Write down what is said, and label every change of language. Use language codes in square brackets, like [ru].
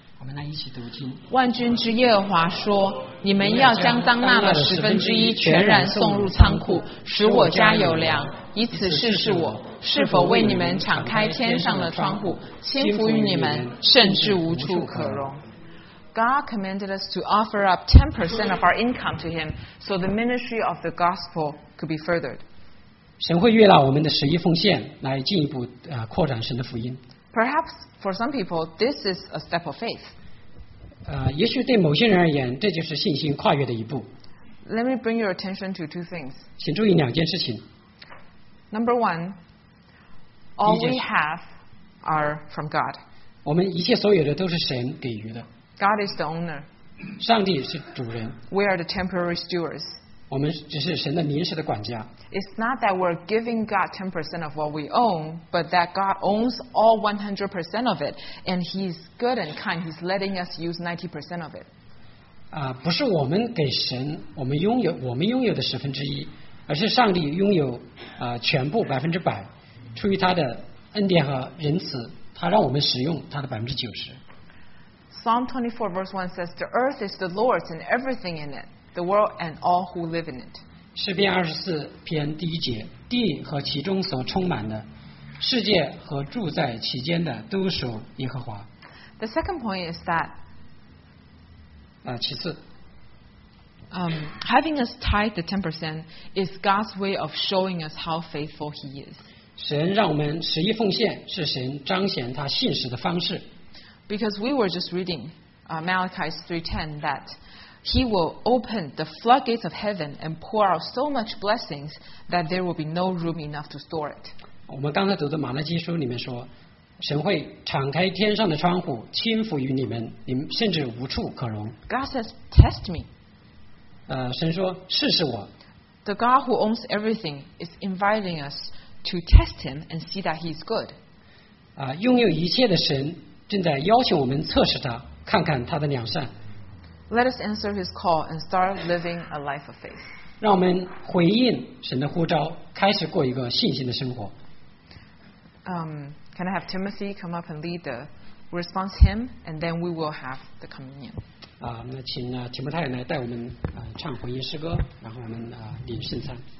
[zh] 我们来一起读经。万军之耶和华说，你们要将当纳的十分之一全然送入仓库，使我家有粮，以此试试我是否为你们敞开天上的窗户，倾福于你们，甚至无处可容。 [en] God commanded us to offer up 10% of our income to him so the ministry of the gospel could be furthered. [zh] 神会悦纳我们的十一奉献来进一步扩展神的福音。 [en] Perhaps for some people this is a step of faith. [zh] 也许对某些人而言，这就是信心跨越的一步。 [en] Let me bring your attention to two things. [zh] 请注意两件事情。 [en] Number one, all we have are from God. [zh] 我们一切所有的都是神给予的。 [en] God is the owner. [zh] 上帝是主人。 [en] We are the temporary stewards. [zh] 我们只是神的临时的管家。 [en] It's not that we're giving God 10% of what we own, but that God owns all 100% of it, and He's good and kind. He's letting us use 90% of it. [zh] 不是我们给神我们拥有的十分之一。而是上帝拥有全部100%，出于他的恩典和仁慈，他让我们使用他的90%。 [en] Psalm 24:1 says, "The earth is the Lord's and everything in it, the world and all who live in it." [zh] 诗篇24篇第一节，地和其中所充满的，世界和住在其间的，都属耶和华。 [en] The second point is that. [zh] 其次。 [en] Having us tithe the 10% is God's way of showing us how faithful He is. [zh] 神让我们十一奉献是神彰显他信实的方式。 [en] Because we were just reading Malachi 3:10 that He will open the floodgates of heaven and pour out so much blessings that there will be no room enough to store it. [zh] 我们刚才读的马拉基书里面说，神会敞开天上的窗户，倾覆于你们，你们甚至无处可容。 [en] God says, "Test me." [zh] 神说，试试我。 [en] The God who owns everything is inviting us to test Him and see that He is good. [zh] 拥有一切的神正在邀请我们测试他，看看他的良善。 [en] Let us answer His call and start living a life of faith. [zh] 让我们回应神的呼召，开始过一个信心的生活。 [en] Can I have Timothy come up and lead the response hymn, and then we will have the communion. [zh] 那请提摩太来带我们唱回应诗歌，然后我们领圣餐。